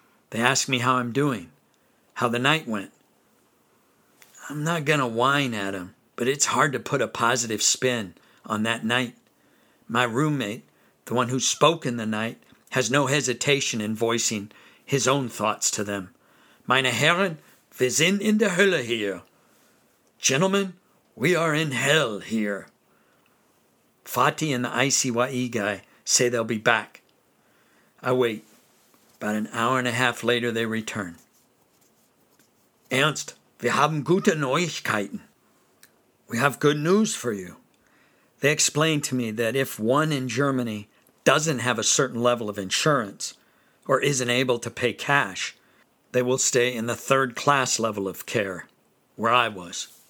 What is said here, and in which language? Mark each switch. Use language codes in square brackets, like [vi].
[en] They ask me how I'm doing, how the night went. I'm not going to whine at him, but it's hard to put a positive spin on that night. My roommate, the one who spoke in the night, has no hesitation in voicing his own thoughts to them. [de] "Meine Herren, wir sind in der Hölle hier. [en] Gentlemen, we are in hell here." Fatih and the ICYE guy say they'll be back. I wait. About an hour and a half later, they return. [de] "Ernst, wir haben gute Neuigkeiten." [en] We have good news for you. They explain to me that if one in Germany doesn't have a certain level of insurance or isn't able to pay cash, they will stay in the third class level of care, where I was.